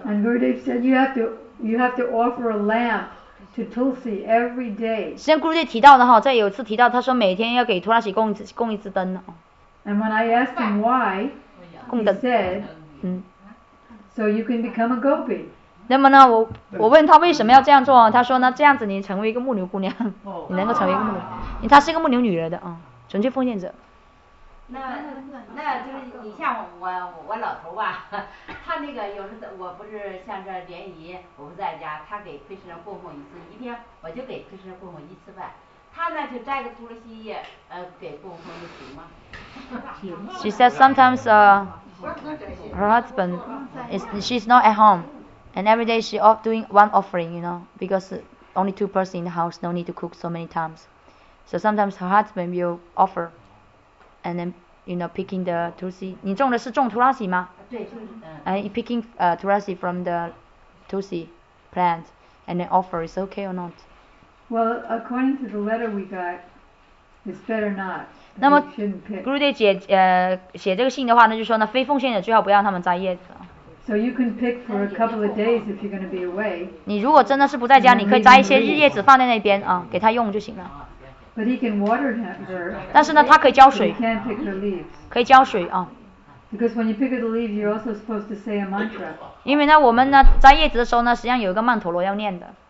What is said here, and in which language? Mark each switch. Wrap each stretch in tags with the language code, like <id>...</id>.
<en>And Gurudev said you have to offer a lamp. To Tulsi every day.</en> <zh>实际上 Gurudev 提到的哈，在有一次提到，他说每天要给 Tulasi 供一支灯呢。</zh> <en>And when I asked him why, he said, So you can become a gopi.</en> <zh>那么呢，我问他为什么要这样做，他说呢，这样子你成为一个牧牛姑娘，你能够成为一个牧牛，因为她是一个牧牛女儿的啊，纯粹奉献者。那就是你像我老头吧，他那个有时候我不是像这联谊，我不在家，他给奎师供奉一次，一天我就给奎师供奉一次饭，他呢就摘个独乐西叶，给供奉就行吗？</zh> <en>She said sometimes her husband she's not at home, and every day she off doing one offering, you know, because only two person in the house, no need to cook so many times, so sometimes her husband will offer. And then, you know, picking the tulsi.</en> <zh>你种的是种 tulasi 吗？对，就是。</zh> <en>And picking tulasi from the tulsi plant. and then offer is okay or not? Well, according to the letter we got, it's better not.</en> <zh>那么 Gurudev 姐写这个信的话呢，就说呢，非奉献者最好不要让他们摘叶子。</zh> <en>So you can pick for a couple of days if you're going to be away.</en> <zh>你如果真的是不在家，你可以摘一些日叶子放在那边啊，给他用就行了。</zh> <en>But he can water her.</en> <zh>但是呢，他可以浇水。</zh> <en>He can't pick the leaves.</en> <zh>可以浇水啊。</zh> <en>Because when you pick the leaves, you're also supposed to say a mantra.</en> <zh>因为呢，我们呢摘叶子的时候呢，实际上有一个曼陀罗要念的。</zh>